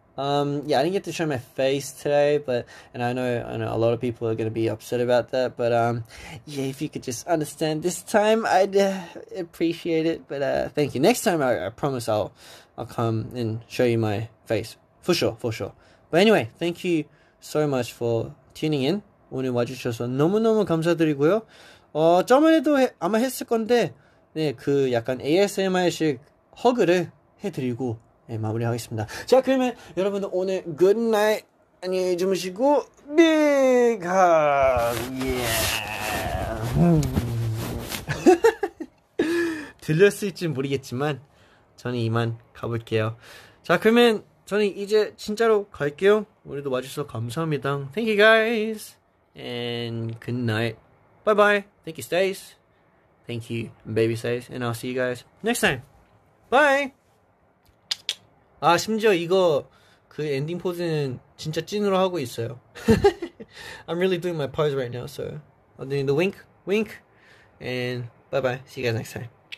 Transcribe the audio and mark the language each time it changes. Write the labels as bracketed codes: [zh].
[en] Yeah, I didn't get to show my face today, but and I know a lot of people are gonna be upset about that. But yeah, if you could just understand this time, I'd appreciate it. But thank you. Next time, I promise I'll come and show you my face for sure, for sure. But anyway, thank you so much for tuning in. [ko] 오늘 와주셔서 너무너무 감사드리고요. 저번에도 아마 했을 건데, 네, 그 약간 ASMR식 허그를 해드리고, 네, 마무리하겠습니다. 자, 그러면 여러분들 오늘 굿나잇 안녕히 주무시고, 빅 허그! 들렸을진 모르겠지만, 저는 이만 가볼게요. 자, 그러면 저는 이제 진짜로 갈게요. 오늘도 와주셔서 감사합니다. [en] Thank you guys! And good night. Bye bye. Thank you, Stace. Thank you, baby Stace. And I'll see you guys next time. Bye. [ko] 심지어 이거 그 엔딩 포즈는 진짜 찐으로 하고 있어요. [en] I'm really doing my pose right now, so I'm doing the wink, wink, and bye bye. See you guys next time.